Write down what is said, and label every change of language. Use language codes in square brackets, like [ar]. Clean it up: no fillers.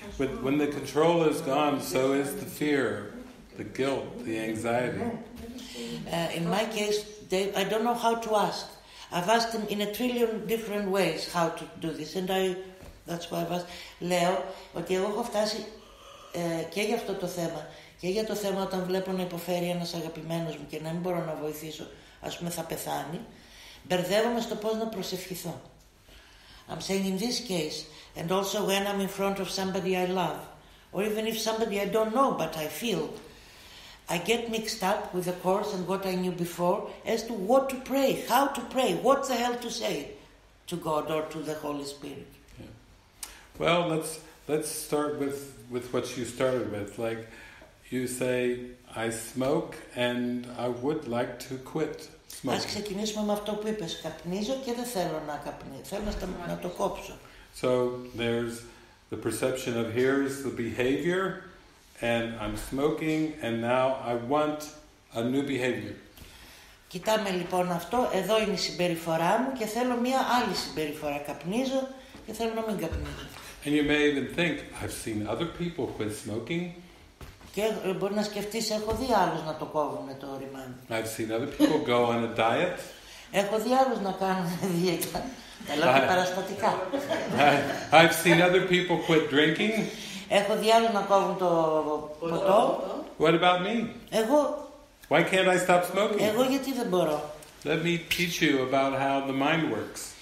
[en] But when the control is gone, so is the fear, the guilt, the anxiety. In my case, Dave, I don't know how to ask. I've asked him in a trillion different ways how to do this, and that's why I've asked Leo, [el] ότι εγώ έχω φτάσει και για αυτό το θέμα και για το θέμα όταν βλέπω να υποφέρει ένας αγαπημένος μου και να μην μπορώ να βοηθήσω, ας πούμε θα πεθάνει, μπερδεύομαι στο πώς να προσευχηθώ. [en] I'm saying in this case, and also when I'm in front of somebody I love, or even if somebody I don't know but I feel, I get mixed up with the course and what I knew before as to what to pray, how to pray, what the hell to say to God or to the Holy Spirit. Yeah. Well, let's start with what you started with. Like you say, I smoke and I would like to quit smoking. [el] Ας ξεκινήσουμε με αυτό που είπες. Καπνίζω και δεν θέλω να καπνίζω. Θέλω να το κόψω. [en] So there's the perception of here's the behavior. And I'm smoking, and now I want a new behavior. [el] Κοιτάμε λοιπόν αυτό. Εδώ είναι η συμπεριφορά μου και θέλω μια άλλη συμπεριφορά. Καπνίζω και θέλω να μην καπνίζω. [en] And you may even think I've seen other people quit smoking. [el] Και μπορεί να σκεφτείς έχω δει άλλους να το κόβουν το ρημάνι. [en] I've seen other people go on a diet. [el] Έχω δει άλλους να κάνουν δίαιτα. Έλα και παραστατικά. [en] I've seen other people quit drinking. [el] Έχω δει άλλους να κόβουν το ποτό. [en] What about me? [el] Εγώ. [en] Why can't I stop smoking? [el] Εγώ γιατί δεν μπορώ. [en] Let me teach you about how the mind works.